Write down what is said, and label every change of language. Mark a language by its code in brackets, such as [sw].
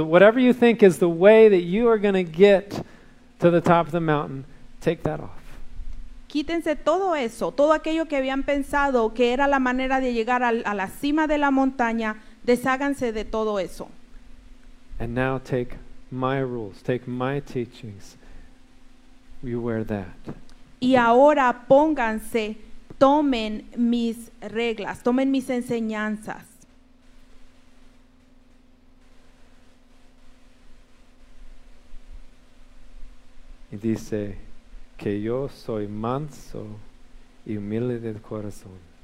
[en] Whatever you think is the way that you are going to get to the top of the mountain, take that off. [es] Quítense todo eso, todo aquello que habían pensado que era la manera de llegar a la cima de la montaña, desháganse de todo eso. [en] And now take my rules, take my teachings. You wear that. [es] Y ahora pónganse, tomen mis reglas, tomen mis enseñanzas. Y dice que yo soy manso y humilde de corazón.